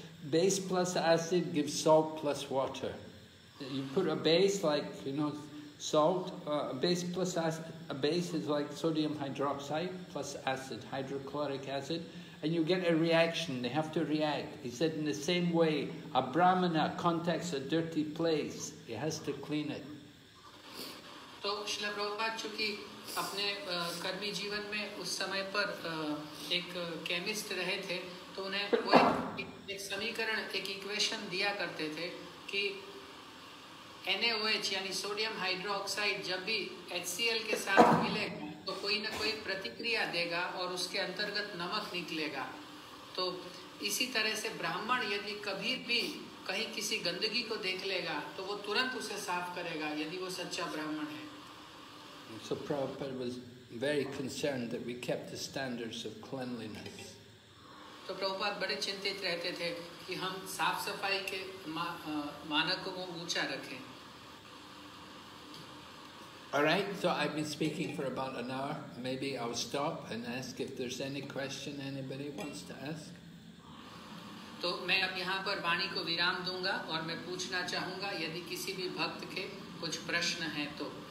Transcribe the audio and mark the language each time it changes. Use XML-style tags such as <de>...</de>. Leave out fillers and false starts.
<en>Base plus acid gives salt plus water. You put a base like, you know, salt, a base is like sodium hydroxide plus acid, hydrochloric acid. And you get a reaction, they have to react. He said in the same way, a brahmana contacts a dirty place, he has to clean it.</en> <hi>तो श्रील प्रभुपाद चूंकि अपने कर्मी जीवन में उस समय पर एक केमिस्ट रहे थे तो उन्हें वो एक समीकरण एक इक्वेशन दिया करते थे कि NaOH यानी सोडियम हाइड्रोक्साइड जब भी HCl के साथ मिले तो कोई ना कोई प्रतिक्रिया देगा और उसके अंतर्गत नमक निकलेगा। तो इसी तरह से ब्राह्मण यदि कभी भी कहीं किसी गंदगी को देख लेगा तो वो तुरंत उसे साफ करेगा यदि वो सच्चा ब्राह्मण है.</hi> <en>So Prabhupada was very concerned that we kept the standards of cleanliness.</en> <hi>तो प्रभुपाद बड़े चिंतित रहते थे कि हम साफ सफाई के मानकों को ऊंचा रखें.</hi> <en>All right, so I've been speaking for about an hour. Maybe I'll stop and ask if there's any question anybody wants to ask.</en> <hi>तो मैं अब यहाँ पर वाणी को विराम दूंगा और मैं पूछना चाहूंगा यदि किसी भी भक्त के कुछ प्रश्न हैं तो.</hi>